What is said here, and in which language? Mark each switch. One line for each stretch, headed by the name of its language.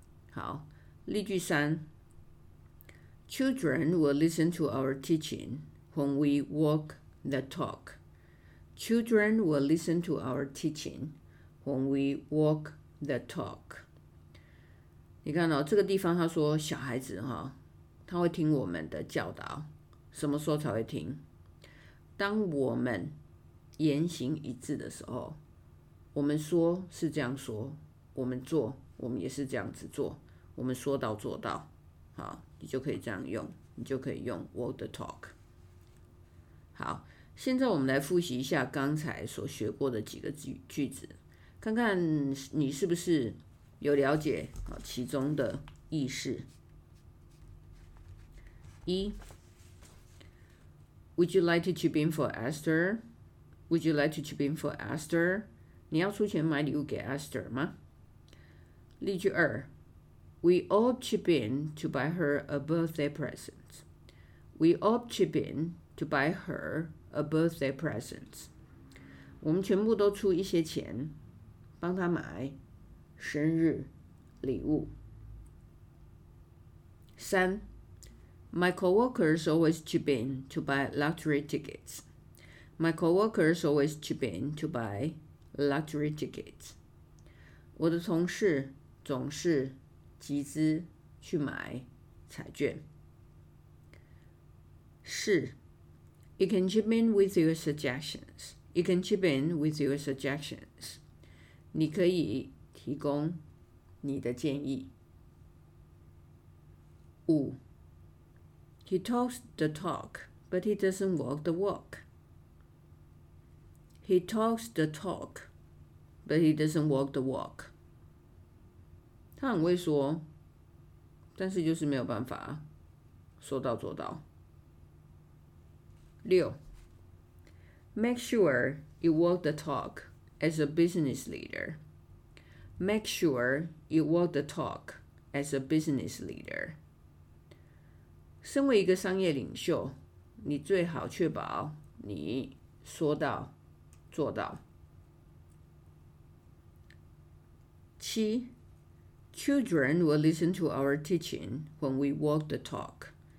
Chinese: 好，例句三
English: ，Children will listen to our teaching when we walk the talk. Children will listen to our teaching when we walk the talk.
Chinese: 你看哦，这个地方他说小孩子哈，他会听我们的教导，什么时候才会听？当我们言行一致的时候，我们说是这样说，我们做，我们也是这样子做，我们说到做到，好，你就可以这样用，你就可以用
English: walk the talk。
Chinese: 好。现在我们来复习一下刚才所学过的几个 句子，看看你是不是有了解其中的意思。
English: 一， Would you like to chip in for Esther? Would you like to chip in for Esther?
Chinese: 你要出钱买礼物给 Esther 吗？例句二，
English: We all chip in to buy her a birthday present. We all chip in to buy her. A birthday present.
Chinese: 我们全部都出一些钱帮他买生日礼物。
English: 三， My coworkers always chip in to buy lottery tickets. My coworkers always chip in to buy lottery tickets.
Chinese: 我的同事总是集资去买彩券。
English: 四，You can chip in with your suggestions. You can chip in with your suggestions.
Chinese: 你可以提供你的建议。
English: 五， He talks the talk, but he doesn't walk the walk. He talks the talk, but he doesn't walk the walk.
Chinese: 他很会说，但是就是没有办法说到做到。
English: 六， Make sure you walk the talk as a business leader. Make sure you walk the talk as a business leader.
Chinese: 身为一个商业领袖，你最好确保你说到做到。
English: 七， Children will listen to our teaching when we walk the talk.